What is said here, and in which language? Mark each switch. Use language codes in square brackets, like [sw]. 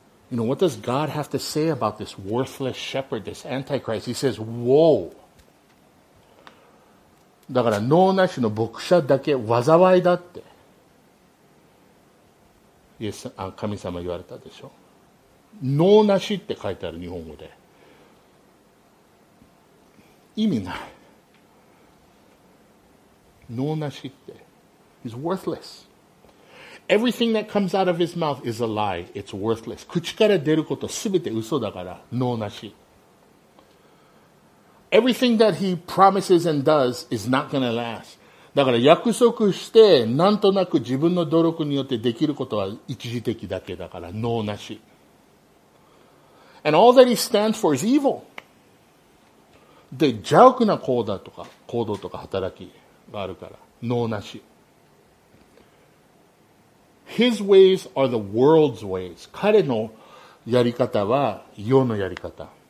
[en] You know, what does God have to say about this worthless shepherd, this Antichrist? He says, whoa. [ja] だから脳なしの牧者だけ災いだってイエス、あ、神様言われたでしょ。脳なしって書いてある日本語で。意味ない。脳なしって。 [en] He's worthless. Everything that comes out of his mouth is a lie. It's worthless. [ja] 口から出ること全て嘘だから、脳なし。 [en] Everything that he promises and does is not going to last. [ja] だから約束して、なんとなく自分の努力によってできることは一時的だけだから、脳なし。 [en] And all that he stands for is evil. [ja] で、邪悪な行動とか、行動とか働きがあるから、脳なし。 [en] His ways are the world's ways. [ja] 彼のやり方は世のやり方。